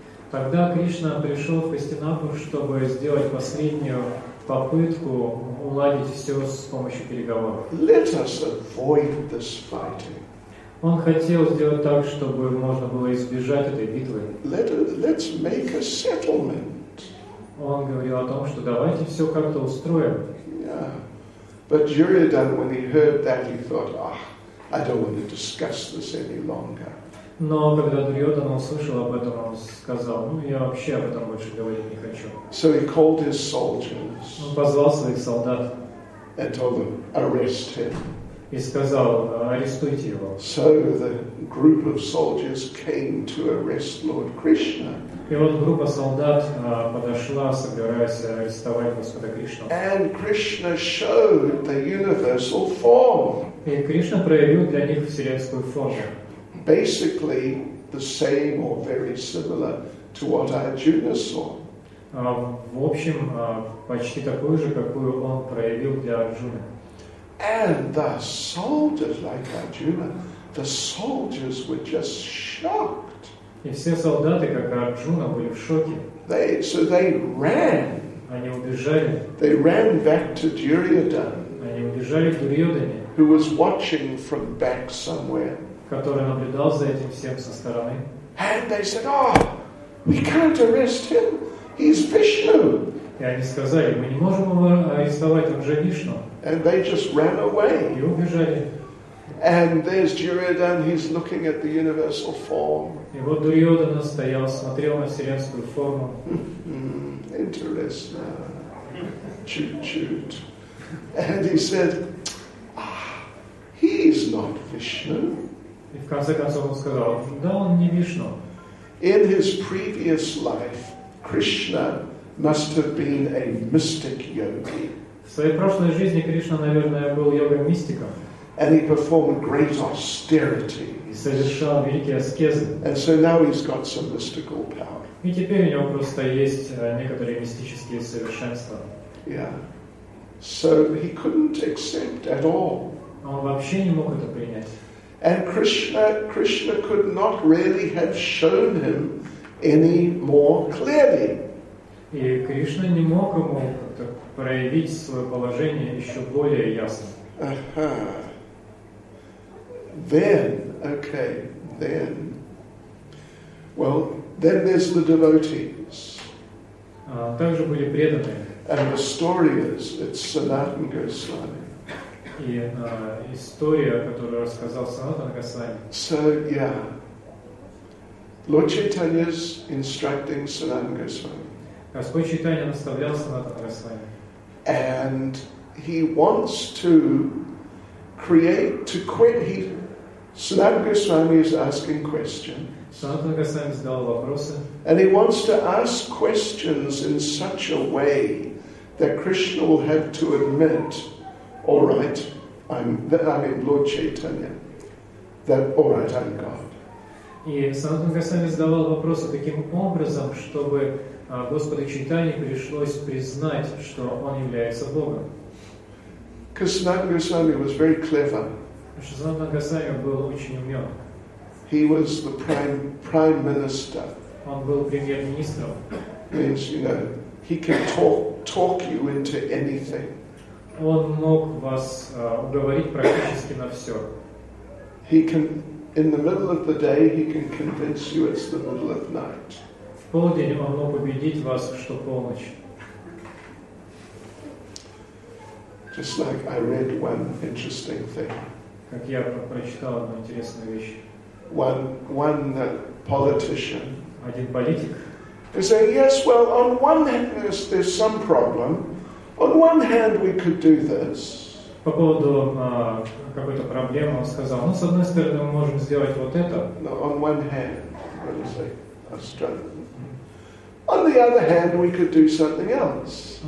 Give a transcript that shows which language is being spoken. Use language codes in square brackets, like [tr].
[ru] Тогда Кришна пришел в Хастинапур, чтобы сделать последнюю попытку уладить все с помощью переговоров. [en] Let us avoid this fighting. [ru] Он хотел сделать так, чтобы можно было избежать этой битвы. [en] Let's make a settlement. [ru] Он говорил о том, что давайте все как-то устроим. [en] Yeah. But Duryodhan, when he heard that, he thought, ah, I don't want to discuss this any longer. [ru] Но когда Дурьодан услышал об этом, он сказал, ну, я вообще об этом больше говорить не хочу. [en] So he called his soldiers. [ru] Он позвал своих солдат. [en] And told them, arrest him. [ru] И сказал, арестуйте его. [en] So the group of soldiers came to arrest Lord Krishna. [ru] И вот группа солдат подошла, собираясь арестовать Господа Кришну. [en] And Krishna showed the universal form. [ru] И Кришна проявил для них вселенскую форму. [en] Basically the same or very similar to what Arjuna saw. [ru] В общем, почти такую же, какую он проявил для Арджуны. [en] And the soldiers, like Arjuna, the soldiers were just shocked. [ru] И все солдаты, как Арджуна, были в шоке. [en] So they ran. [ru] Они убежали. [en] They ran back to Duryodhan. [ru] Они убежали к Дурьодане. [en] Who was watching from back somewhere. [ru] Который наблюдал за этим всем со стороны. [en] And they said, oh, we can't arrest him. He's Vishnu. [ru] И они сказали, мы не можем его арестовать, он же Вишну. [en] And they just ran away. [ru] И убежали. [en] And there's Duryodhan, he's looking at the universal form. [ru] И вот Дурьодан стоял, смотрел на вселенскую форму. [en] Interesting. [ru] Чуть-чуть. [en] And he said, ah, he's not Vishnu. [ru] И в конце концов он сказал, да, он не Вишну. [en] In his previous life, Krishna must have been a mystic yogi. [ru] В своей прошлой жизни Кришна, наверное, был йогой-мистиком. [en] And he performed great austerity. [ru] И совершал великие аскезы. [en] And so now he's got some mystical power. [ru] И теперь у него просто есть некоторые мистические совершенства. [en] Yeah. So he couldn't accept at all. [ru] Он вообще не мог это принять. [en] And Krishna could not really have shown him any more clearly. [ru] И Кришна не мог ему как-то проявить свое положение еще более ясно. Aha. [en] Then, okay, then. Well, then there's the devotees. [ru] Также были преданные. [en] And the story is, it's Sanatana Goswami. [ru] И история, которую рассказал Санатана Госвами. [en] So, yeah. Lord Chaitanya's instructing Sanatana Goswami. [ru] Господь Чайтанья наставлял Санатана Госвами. [en] And he wants to create, to quit. Sanatana Goswami is asking questions. [ru] Санатана Госвами задал вопросы. [en] And he wants to ask questions in such a way that Krishna will have to admit, all right, I'm Lord Chaitanya, that all right, I'm God. [ru] И Санатана Госвами задавал вопросы таким образом, чтобы Господу Чайтанье пришлось признать, что он является Богом. [en] Because Sanatana Goswami was very clever. [ru] Санатана Госвами был очень умен. [en] He was the prime minister. [ru] Он был премьер-министром. [en] Means, you know, he can talk you into anything. [ru] Он мог вас уговорить практически на все. [en] He can, in the middle of the day, he can convince you it's the middle of night. [ru] полдень оно победит вас, что полночь. [en] Just like I read one interesting thing. [ru] Как я прочитал одну интересную вещь. [en] One politician. [ru] Один политик. [en] They say, yes, well, on one hand there's some problem. On one hand we could do this. [ru] По поводу какой-то проблемы он сказал, ну, с одной стороны, мы можем сделать вот это. [en] No, on one hand, what is it? Australian. On the other hand, we could do something else.